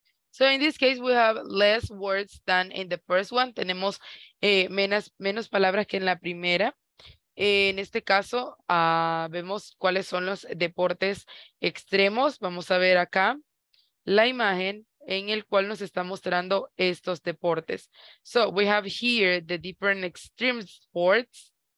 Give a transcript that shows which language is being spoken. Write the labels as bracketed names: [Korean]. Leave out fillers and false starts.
[English] So in this case, we have less words than in the first one. [Spanish] Tenemos menos palabras que en la primera. En este caso, vemos cuáles son los deportes extremos. Vamos a ver acá la imagen en el cual nos está mostrando estos deportes. [English] So we have here the different extreme sports.